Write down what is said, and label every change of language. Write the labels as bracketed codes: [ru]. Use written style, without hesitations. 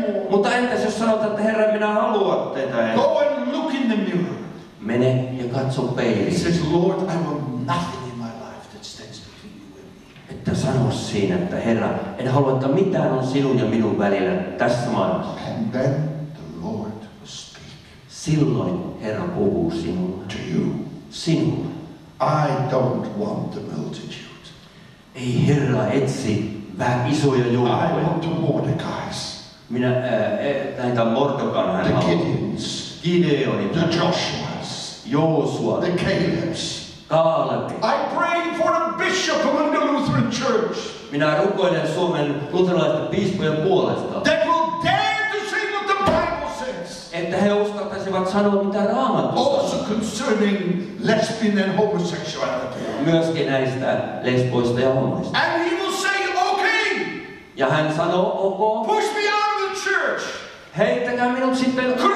[fi] Mutta entäs jos sanot, että Herra, minä haluan tätä. [en] Go and look in the mirror. [fi] Mene ja katso peiliin. [en] He says, Lord, I want nothing in my life that stands between you and me. [fi] Että sano siinä, että Herra, en halua, että mitään on sinun ja minun välillä tässä maailmassa. [en] And then the Lord will speak. [fi] Silloin Herra puhuu sinulle. [en] To you. [fi] Sinulle. [en] I don't want the multitude. [fi] Ei Herra etsi vähän isoja joukkoja. [en] I want the Mordecais. [fi] Minä näitä Mordokan hän haluaa. [en] The Gideons. [fi] Gideonit. [en] The Joshuas. [fi] Joosuat. [en] The Calebs. [fi] Kaalebit. [en] I pray for a bishop among the Lutheran church. [fi] Minä rukoilen Suomen luterilaisten piispojen puolesta. [en] That will dare to say what the Bible says. [fi] Että he uskaltaisivat sanoa, mitä Raamattu sanoo. [en] Also concerning lesbian and homosexuality. [fi] Myöskin näistä lesboista ja homoista. [en] And he will say, okay. [fi] Ja hän sanoo, ok. [en] Push me out. [fi] Heittäkää minut sitten